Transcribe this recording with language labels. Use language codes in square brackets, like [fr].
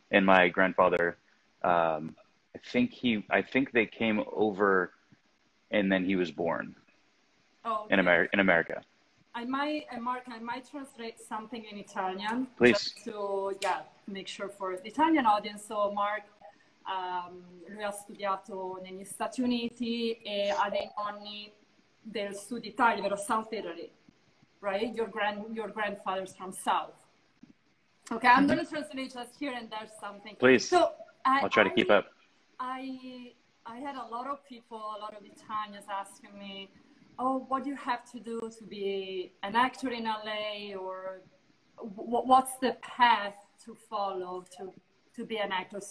[en] And my grandfather, I think they came over and then he was born in America. I might translate something in Italian. Please. Just to, make sure for the Italian audience. [it] So Mark, lui ha studiato negli Stati Uniti e ha dei nonni del sud Italia, ovvero [en] South Italy. Right, your grandfather's from South. Okay, I'm gonna translate just here and there something. Please. So I'll try to keep up. I had a lot of people, a lot of Italians asking me, oh, what do you have to do to be an actor in LA, or what's the path to follow to be an actor?